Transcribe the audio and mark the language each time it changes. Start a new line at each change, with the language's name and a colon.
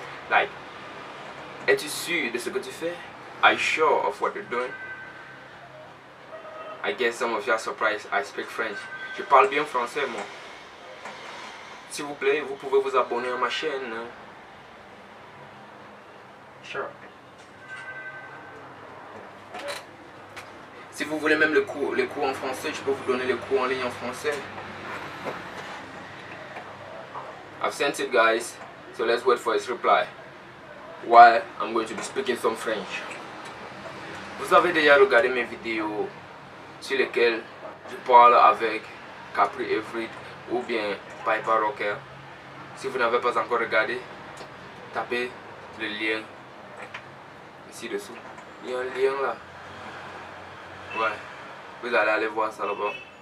English: Like,
French: es-tu sûr de ce que tu fais?
English: Are you sure of what you're doing? I guess some of you are surprised I speak French.
French: Je parle bien français, moi. S'il vous plaît, vous pouvez vous abonner à ma chaîne. Sure. Si vous voulez même les cours en français, je peux vous donner les cours en ligne en français.
English: I've sent it, guys. So let's wait for his reply. While I'm going to be speaking some French.
French: Vous avez déjà regardé mes vidéos sur lesquelles je parle avec Capri Everett ou bien Piper Rocker. Si vous n'avez pas encore regardé, tapez le lien. Ici dessous, il y a un lien là. Ouais, vous allez aller voir ça là-bas.